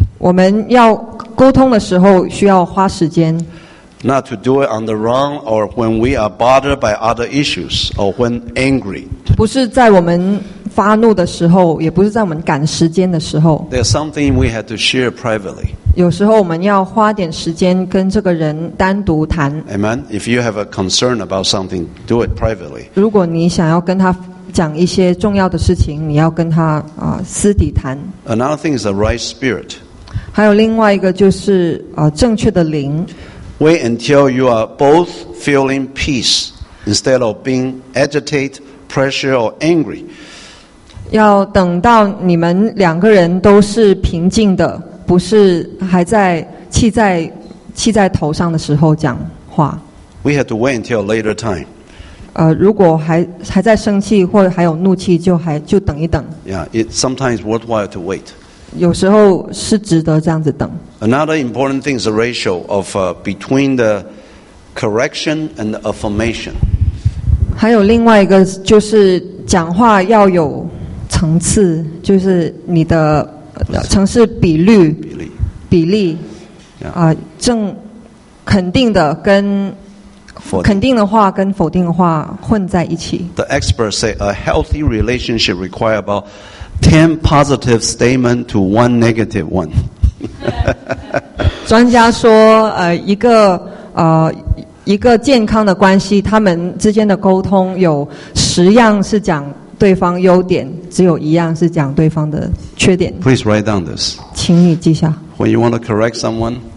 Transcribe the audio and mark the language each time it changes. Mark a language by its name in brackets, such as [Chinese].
[Chinese] 我们要 沟通的时候需要花时间。 [English] Not to do it on the wrong or when we are bothered by other issues or when angry. [Chinese] 不是在我们发怒的时候，也不是在我们赶时间的时候。 [English] There's something we had to share privately. [Chinese] 有时候我们要花点时间跟这个人单独谈。 [English] Amen. If you have a concern about something, do it privately. [Chinese] 如果你想要跟他讲一些重要的事情，你要跟他私底谈。 [English] Another thing is the right spirit. [Chinese] 还有另外一个就是正确的灵。 [English] Wait until you are both feeling peace instead of being agitated, pressured, or angry. [Chinese] 要等到你们两个人都是平静的，不是还在气在头上的时候讲话。 [English] We have to wait until later time. [Chinese] 如果还在生气或还有怒气，就等一等。 [English] Yeah, it sometimes worthwhile to wait. [Chinese] 有时候是值得这样子等。 [English] Another important thing is the ratio of between the correction and the affirmation. [Chinese] 还有另外一个就是讲话要有层次，就是你的层次比例。 [English] Yeah. [Chinese] 正肯定的跟肯定的话跟否定的话混在一起。 [English] The experts say a healthy relationship requires about 10 positive statements to 1 negative one. [Chinese] 专家说，一个健康的关系，他们之间的沟通有十样是讲对方优点，只有一样是讲对方的缺点。 [English] Please write down this. [Chinese] 请你记下。 [English] When you want to correct someone.